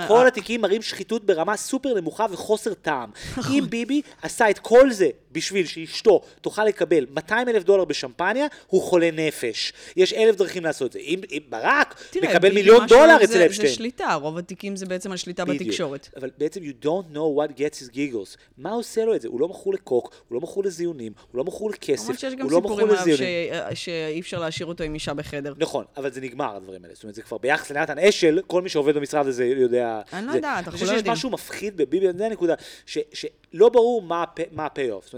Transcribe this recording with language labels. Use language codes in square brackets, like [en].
[he] כל התיקים מראים שחיתות ברמה סופר נמוכה וחוסר טעם. אם ביבי עשה את כל זה בשביל שאשתו תוכל לקבל 200 אלף דולר בשמפניה, הוא חולה נפש. יש אלף דרכים לעשות את זה. אם ברק מקבל מיליון דולר אצל אפשטיין. זה שליטה, רוב התיקים זה בעצם השליטה בתקשורת. אבל בעצם [en] you don't know what gets his giggles. [he] מה עושה לו את זה? הוא לא מכור לקוק, הוא לא מכור לזיונים, הוא לא מכור לכסף, הוא לא מכור לזיונים. שאי אפשר להשאיר אותו עם אישה בחדר. נכון, אבל זה נגמר הדברים האלה. זאת אומרת, זה כבר ביחס לנתן אשל, כל מי שעובד במשרד הזה יודע... אני לא יודעת, אנחנו לא יודעים. אני חושב שיש משהו מפחיד בביבי, זה הנקודה, שלא ברור מה הפי-אוף.